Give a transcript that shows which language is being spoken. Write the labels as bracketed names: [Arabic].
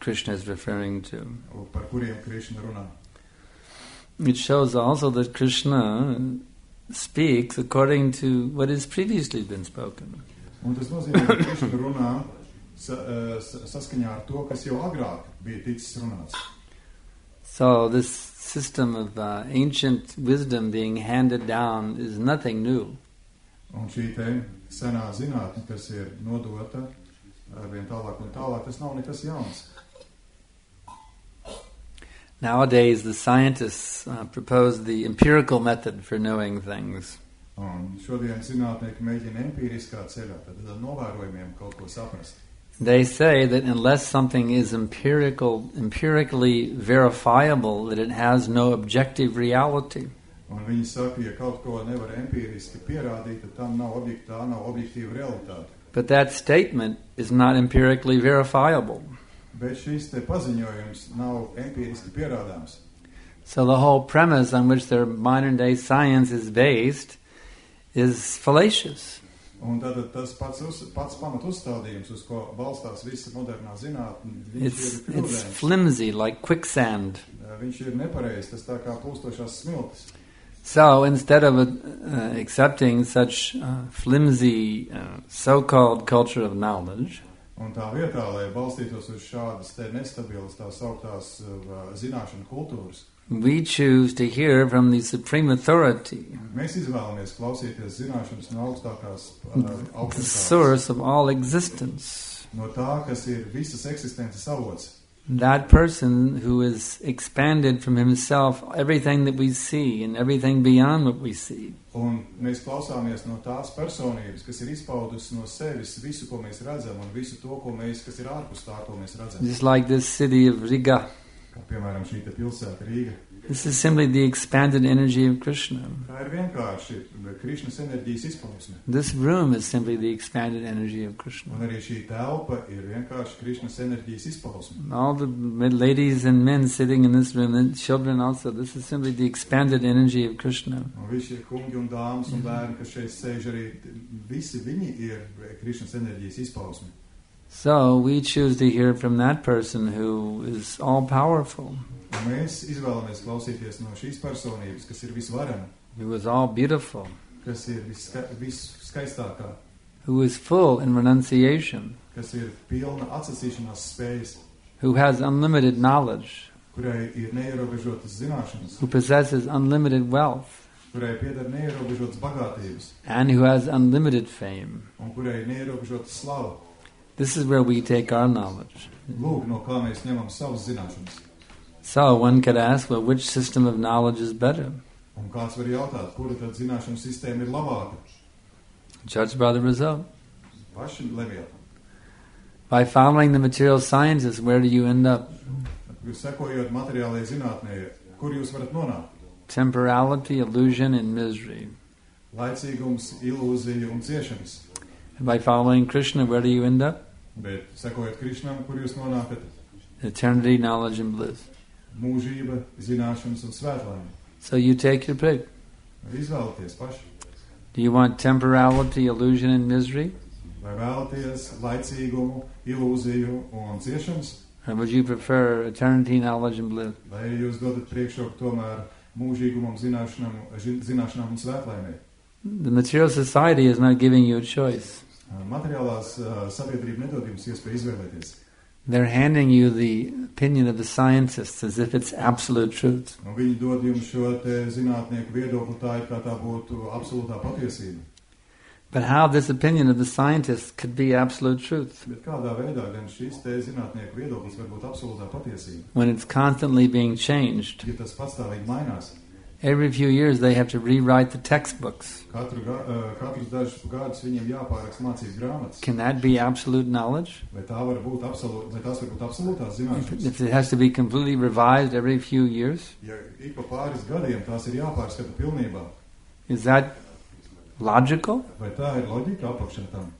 [English] Krishna is referring to. [Latvian] Par kuriem Krishna runā. [English] It shows also that Krishna speaks according to what has previously been spoken. [Latvian] Un tas nozīmē, ka Krishna runā saskaņā ar to, kas jau agrāk bija ticis runāts. [English] So this system of ancient wisdom being handed down is nothing new. [Latvian] Un šī te senā zinātne, kas ir nodota arvien tālāk un tālāk, tas nav nekas jauns. [English] Nowadays the scientists propose the empirical method for knowing things. [Latvian] Un šodien zinātnieki mēģina empiriskā ceļā, tad ar novērojumiem kaut ko saprast. [English] They say that unless something is empirically verifiable, that it has no objective reality. [Latvian] Un viņi saka, ja kaut ko nevar empiriski pierādīt, tad tam nav objektā, nav objektīva realitāte. [English] But that statement is not empirically verifiable. [Latvian] Bet šis te paziņojums nav empiriski pierādāms. [English] So the whole premise on which their modern day science is based is fallacious. [Latvian] Un tātad tas pats pamat uzstādījums, uz ko balstās visa modernā zinātne, [English] it's flimsy, like quicksand. [Latvian] Viņš ir nepareizs, tas tā kā pūstošās smiltis. [English] So, instead of accepting such flimsy so-called culture of knowledge, [Latvian] un tā vietā, lai balstītos uz šādas te nestabilas, tā sauktās zināšanu kultūras, [English] we choose to hear from the supreme authority. [Latvian] Mēs izvēlamies klausīties zināšanas no augstākās [English] the source of all existence. [Latvian] No tā, kas ir visas eksistences avots. [English] That person who is expanded from himself everything that we see and everything beyond what we see. [Latvian] Un mēs klausāmies no tās personības, kas ir izpaudusi no sevis visu, ko mēs redzam, un visu to, ko mēs, kas ir ārpus tā, ko mēs redzam. [English] Just like this city of Riga. [Latvian] Piemēram, šī te pilsēta Rīga. [English] This is simply the expanded energy of Krishna. [Latvian] Tā ir vienkārši Krishnas enerģijas izpausme. [English] This room is simply the expanded energy of Krishna. [Latvian] Un arī šī telpa ir vienkārši Krishnas enerģijas izpausme. [English] All the ladies and men sitting in this room, and children also, this is simply the expanded energy of Krishna. [Latvian] Un visi kungi un dāmas un bērni, kas šeit sēž arī, visi viņi ir Krishnas enerģijas izpausme. [English] So we choose to hear from that person who is all powerful. [Latvian] Mēs izvēlamies klausīties no šīs personības, kas ir visvarena. [English] Who is all beautiful. [Latvian] Kas ir visskaistākā. [English] Who is full in renunciation. [Latvian] Kas ir pilna atsacīšanās spējas. [English] Who has unlimited knowledge. [Latvian] Kurai ir neierobežotas zināšanas. [English] Who possesses unlimited wealth. [Latvian] kurai pieder neierobežotas bagātības, [English] and who has unlimited fame. [Latvian] Un kurai ir neierobežota slava. [English] This is where we take our knowledge. [Latvian] Lūk, no kā mēs ņemam savas zināšanas. [English] So one could ask, well, which system of knowledge is better? [Latvian] Un kāds var jautāt, kura tad zināšanas sistēma ir labāka? [English] Judge by the result. [Latvian] Paši lemjāt. [English] By following the material sciences, where do you end up? [Latvian] Sekojot materiālajai zinātnei, kur jūs varat nonākt? [English] Temporality, illusion and misery. [Latvian] Laicīgums, ilūzija un ciešanas. [English] By following Krishna, where do you end up? [Latvian] Bet sekojot Krishnam, kur jūs nonākat? [English] Eternity, knowledge and bliss. [Latvian] Mūžība, zināšanas un svētlaime. [English] So you take your pick. [Latvian] Izvēlaties paši. [English] Do you want temporality, illusion and misery? [Latvian] Vai vēlaties laicīgumu, ilūziju un ciešanas? [English] Or would you prefer eternity, knowledge and bliss? [Latvian] Vai jūs dodat priekšroku tomēr mūžīgumam, zināšanām un svētlaimē? [English] The material society is not giving you a choice. [Latvian] Materiālās sabiedrība nedod jums iespēju izvēlēties. [English] They're handing you the opinion of the scientists as if it's absolute truth. [Latvian] Un viņi dod jums šo te zinātnieku viedokli tā, kā tā būtu absolūtā patiesība. [English] But how this opinion of the scientists could be absolute truth? [Latvian] Bet kādā veidā gan šis te zinātnieku viedoklis var būt absolūtā patiesība? [English] When it's constantly being changed. [Latvian] Ja tas pastāvīgi mainās. [English] Every few years they have to rewrite the textbooks. [Latvian] Katrus dažus gadus viņiem jāpāraksta mācību grāmatas. [English] Can that be absolute knowledge? [Latvian] Vai tas var būt absolūtās zināšanas? [English] If it has to be completely revised every few years? [Latvian] Ja ik pa pāris gadiem tās ir jāpārskata pilnībā. [English] Is that logical? [Latvian] Vai tā ir loģika apakšatam?